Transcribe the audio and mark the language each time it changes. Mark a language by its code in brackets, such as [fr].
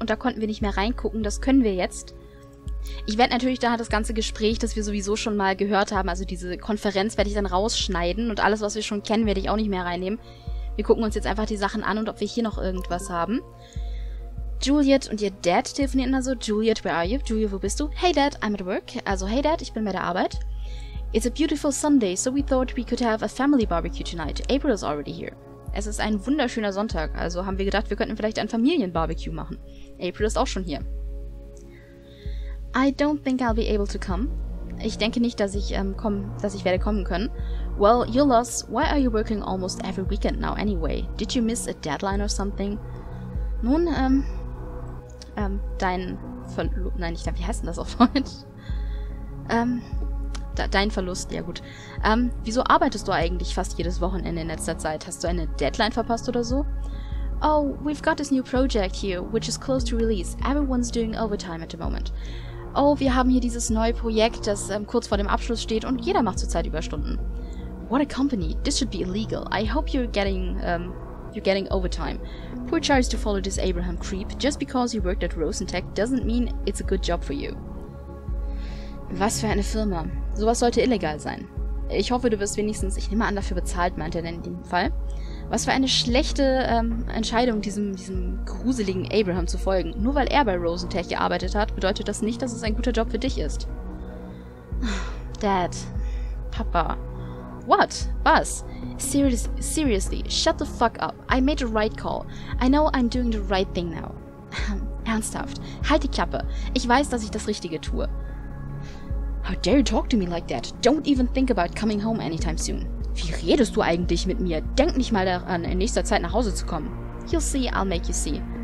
[de] Und da konnten wir nicht mehr reingucken. Das können wir jetzt. Ich werde natürlich daher das ganze Gespräch, das wir sowieso schon mal gehört haben, also diese Konferenz, werde ich dann rausschneiden. Und alles, was wir schon kennen, werde ich auch nicht mehr reinnehmen. Wir gucken uns jetzt einfach die Sachen an und ob wir hier noch irgendwas haben. Juliet und ihr Dad telefonieren also. [en] Juliet, where are you? [de] Juliet, wo bist du? [en] Hey Dad, I'm at work. [de] Also, hey Dad, ich bin bei der Arbeit. [en] It's a beautiful Sunday, so we thought we could have a family barbecue tonight. April is already here. [de] Es ist ein wunderschöner Sonntag, also haben wir gedacht, wir könnten vielleicht ein Familienbarbecue machen. April ist auch schon hier. [en] I don't think I'll be able to come. [de] Ich denke nicht, dass ich werde kommen können. [en] Well, your loss. Why are you working almost every weekend now anyway? Did you miss a deadline or something? [de] Nun, dein Verlust, ja gut. Wieso arbeitest du eigentlich fast jedes Wochenende in letzter Zeit? Hast du eine Deadline verpasst oder so? [en] Oh, we've got this new project here, which is close to release. Everyone's doing overtime at the moment. [de] Oh, wir haben hier dieses neue Projekt, das kurz vor dem Abschluss steht und jeder macht zurzeit Überstunden. [en] What a company. This should be illegal. I hope you're getting overtime. Poor choice to follow this Abraham creep. Just because you worked at Rosentech doesn't mean it's a good job for you. [de] Was für eine Firma. Sowas sollte illegal sein. Ich hoffe, du wirst wenigstens, ich nehme an, dafür bezahlt, meint er denn in dem Fall. Was für eine schlechte Entscheidung, diesem gruseligen Abraham zu folgen. Nur weil er bei Rosentech gearbeitet hat, bedeutet das nicht, dass es ein guter Job für dich ist. [en] Dad. Papa. What? [de] Was? [en] Seriously, shut the fuck up. I made the right call. I know I'm doing the right thing now. [de] Ernsthaft. Halt die Klappe. Ich weiß, dass ich das Richtige tue. [en] How dare you talk to me like that? Don't even think about coming home anytime soon. [de] Wie redest du eigentlich mit mir? Denk nicht mal daran, in nächster Zeit nach Hause zu kommen. [en] You'll see, I'll make you see.